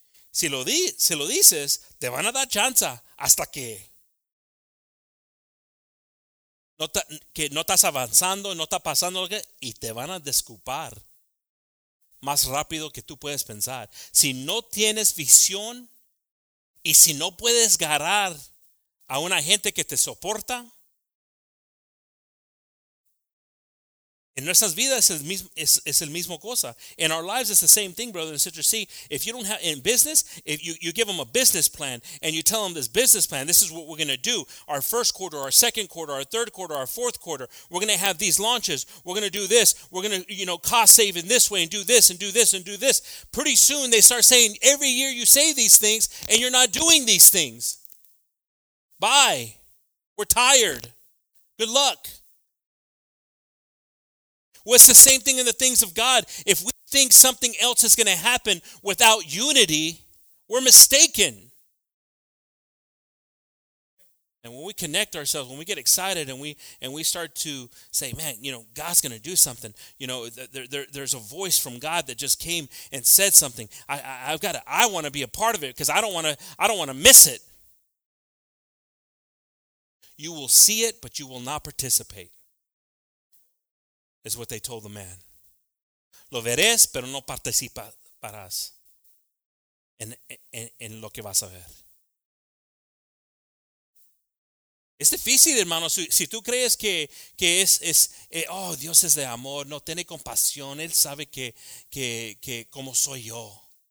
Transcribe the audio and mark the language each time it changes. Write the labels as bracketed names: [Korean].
[Spanish] Si lo dices, te van a dar chance hasta que no estás avanzando, no está pasando lo que, y te van a disculpar más rápido que tú puedes pensar. Si no tienes visión y si no puedes agarrar a una gente que te soporta, en nuestras vidas es el mismo cosa. [English] In our lives, it's the same thing, brothers and sisters. See, if you don't have, in business, if you give them a business plan and you tell them this business plan, this is what we're going to do. Our first quarter, our second quarter, our third quarter, our fourth quarter, we're going to have these launches. We're going to do this. We're going to, you know, cost save in this way and do this and do this and do this. Pretty soon they start saying, every year you say these things and you're not doing these things. Bye. We're tired. Good luck. Well, it's the same thing in the things of God. If we think something else is going to happen without unity, we're mistaken. And when we connect ourselves, when we get excited and we start to say, man, you know, God's going to do something. You know, there's a voice from God that just came and said something. I want to be a part of it because I don't want to miss it. You will see it, but you will not participate. Is what they told the man. [Spanish] Lo verás, pero no participarás en lo que vas a ver. Es difícil, hermano. Si tú crees que es oh, Dios es de amor, no tiene compasión, Él sabe que como soy yo.